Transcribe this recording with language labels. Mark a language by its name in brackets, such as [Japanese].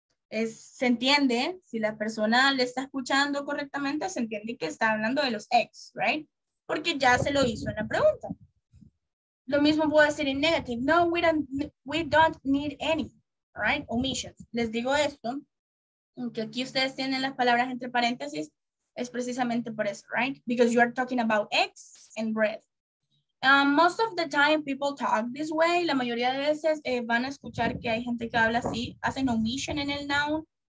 [Spanish] Es, se entiende, si la persona le está escuchando correctamente, se entiende que está hablando de los X, right? Porque ya se lo hizo en la pregunta. Lo mismo puedo decir en negative. [English] No, we don't need any. Right, omissions. [Spanish] Les digo esto, aunque aquí ustedes tienen las palabras entre paréntesis, es precisamente por eso, right? [English] Because you are talking about eggs and bread. Most of the time people talk this way. [Spanish] La mayoría de veces van a escuchar que hay gente que habla así, hacen omission en el noun.